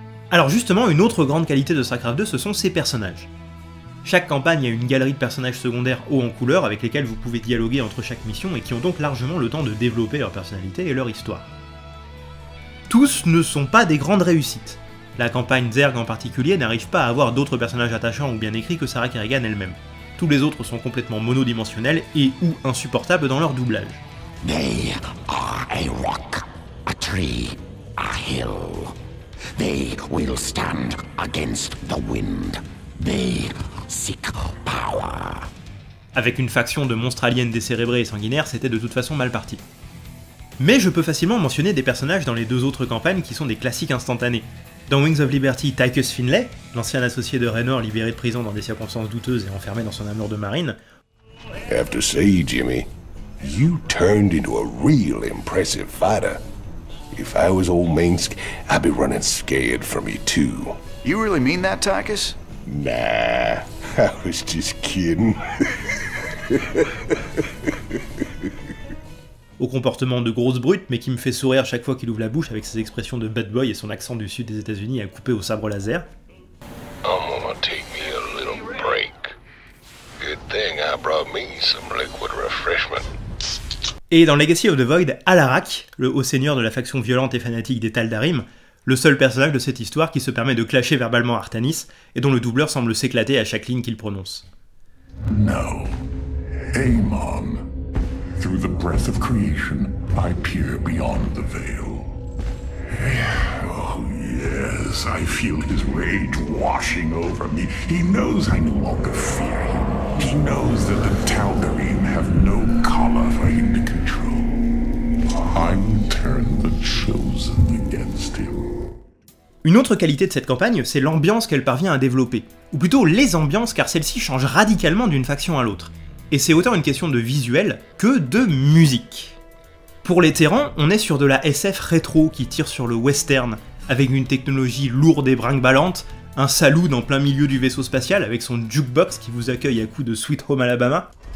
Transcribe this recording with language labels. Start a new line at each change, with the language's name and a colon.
French: Alors justement, une autre grande qualité de StarCraft 2, ce sont ses personnages. Chaque campagne a une galerie de personnages secondaires haut en couleur avec lesquels vous pouvez dialoguer entre chaque mission et qui ont donc largement le temps de développer leur personnalité et leur histoire. Tous ne sont pas des grandes réussites. La campagne Zerg en particulier n'arrive pas à avoir d'autres personnages attachants ou bien écrits que Sarah Kerrigan elle-même. Tous les autres sont complètement monodimensionnels et ou insupportables dans leur doublage.
English: They are a rock, a tree, a hill. They will stand against the wind. They seek power.
French: Avec une faction de monstres aliens décérébrés et sanguinaires, c'était de toute façon mal parti. Mais je peux facilement mentionner des personnages dans les deux autres campagnes qui sont des classiques instantanés. Dans Wings of Liberty, Tychus Finlay, l'ancien associé de Raynor libéré de prison dans des circonstances douteuses et enfermé dans son amour de marine.
English: I have to say, Jimmy, you turned into a real impressive fighter. If I was old Minsk, I'd be running scared from you too. You really mean that, Takis? Nah, I was just kidding.
French: Au comportement de grosse brute, mais qui me fait sourire chaque fois qu'il ouvre la bouche avec ses expressions de bad boy et son accent du sud des États-Unis à couper au sabre laser.
English: I'm gonna take me a little break. Good thing I brought me some liquid refreshment.
French: Et dans Legacy of the Void, Alarak, le haut seigneur de la faction violente et fanatique des Tal'Darim, le seul personnage de cette histoire qui se permet de clasher verbalement Artanis et dont le doubleur semble s'éclater à chaque ligne qu'il prononce.
English: No, Aemon. Through the breath of creation, I peer beyond the veil. Oh yes, I feel his rage washing over me. He knows I no longer fear him. He knows that the Tal'Darim have no collar for him to control. I will turn the Chosen against him.
French: Une autre qualité de cette campagne, c'est l'ambiance qu'elle parvient à développer. Ou plutôt les ambiances, car celle-ci change radicalement d'une faction à l'autre. Et c'est autant une question de visuel que de musique. Pour les Terrans, on est sur de la SF rétro qui tire sur le western, avec une technologie lourde et brinque-ballante, un saloon en plein milieu du vaisseau spatial avec son jukebox qui vous accueille à coups de Sweet Home Alabama.